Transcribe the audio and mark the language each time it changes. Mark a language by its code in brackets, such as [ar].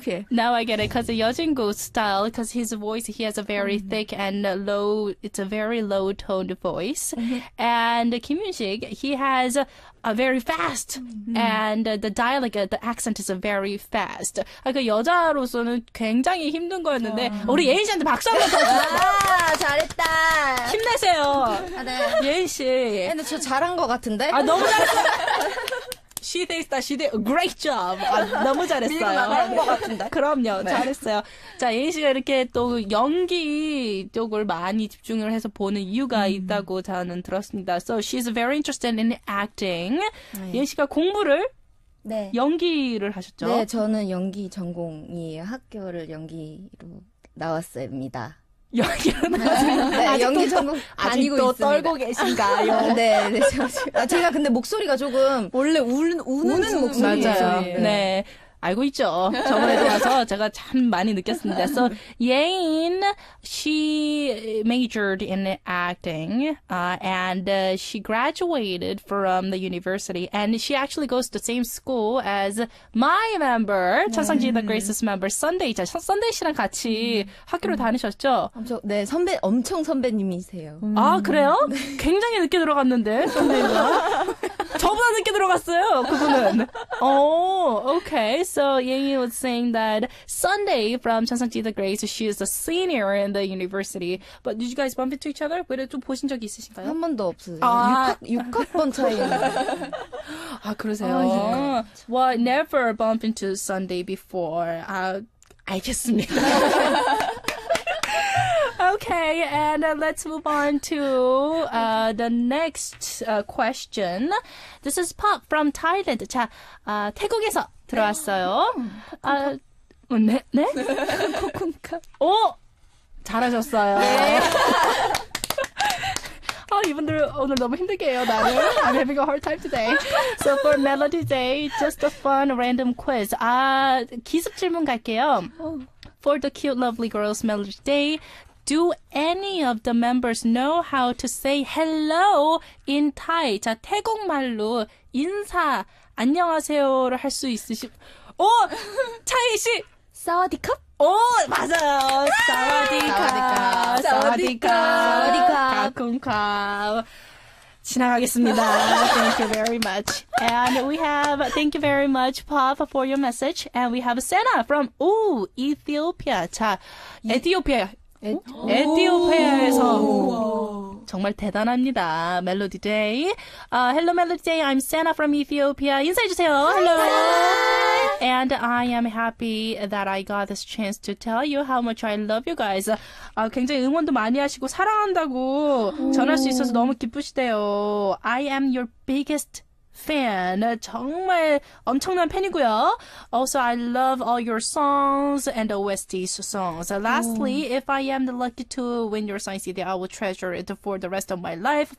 [en] Now I get it, because Yeo Jin-gu's style, because his voice, he has a very thick and low, it's a very low-toned voice. Mm-hmm. And Kim Yoon-sik, he has a very fast, and the dialogue, the accent is very fast. [ko] 그러니까 여자로서는 굉장히 힘든 거였는데, 우리 예인 씨한테 박수 한번 더 주세요. 와, 잘했다. 힘내세요. 아, 네. 예인 씨. 근데 저 잘한 것 같은데? 아, 너무 잘했어. [en] She thinks that she did a great job. [ko] 아, 너무 잘했어요. 밀고 나가는 것 같은데. 그럼요. 네. 잘했어요. 자, 예인 씨가 이렇게 또 연기 쪽을 많이 집중을 해서 보는 이유가 있다고 저는 들었습니다. [en] So she's very interested in acting. [ko] 네. 예인 씨가 공부를 네. 연기를 하셨죠? 네, 저는 연기 전공이에요. 학교를 연기로 나왔습니다. 연기는 네, 연기 전공 다니고 있습니다. 아직도 떨고 계신가요? 네, 네, 제가 근데 목소리가 조금 원래 우는 목소리예요. 네, 알고 있죠. 저번에 와서 제가 참 많이 느꼈습니다. [en] So Yein, she majored in acting, and she graduated from the university, and she actually goes to the same school as my member, 천상진 the greatest member, Sunday. [ko] 자, Sunday 씨랑 같이 학교를 다니셨죠? 엄청 네 선배 엄청 선배님이세요. 아 그래요? 굉장히 늦게 들어갔는데 선배님과 저보다 늦게 들어갔어요 그분은. [en] 오, okay. So Yeo was saying that Sunday from 천상지 the Grace, she is a senior in the university. But did you guys bump into each other? [ko] 왜 또 보신 적 있으신가요? 한 번도 없어요. 아, 6학번 차이. 아 그러세요. [en] 아, well, never bump into Sunday before. [ko] 알겠습니다. [en] Okay, and let's move on to the next question. This is Pop from Thailand. [ko] 자, 태국에서 들어왔어요. 아, 네, 네. 쿵쿵카. 오, 잘하셨어요. 네. 아, 이분들 오늘 너무 힘들게요. [en] 나는 I'm having a hard time today. So for Melody Day, just a fun random quiz. [ko] 아, 기습 질문 갈게요. [en] For the cute, lovely girls, Melody Day. Do any of the members know how to say hello in Thai? [ko] 자, 태국말로 인사, 안녕하세요를 할 수 있으시... 오! 차이씨! 사와디컵? 오! 맞아요! 사와디컵! 사와디컵! 사와디컵! 가쿵컵! 지나가겠습니다. [en] Thank you very much. And we have... Thank you very much, Pop, for your message. And we have Senna from... 오! Ethiopia! 자, 에티오피아! [ko] 에티오피아에서 정말 대단합니다. [en] Melody Day. Hello Melody Day. I'm Senna from Ethiopia. [ko] 인사해주세요. [en] Hello. And I am happy that I got this chance to tell you how much I love you guys. [ko] 굉장히 응원도 많이 하시고 사랑한다고 전할 수 있어서 너무 기쁘시대요. [en] I am your biggest fan. [ko] 정말 엄청난 팬이고요. [en] Also, I love all your songs and OST's songs. Lastly, if I am the lucky to win your sign CD, I will treasure it for the rest of my life.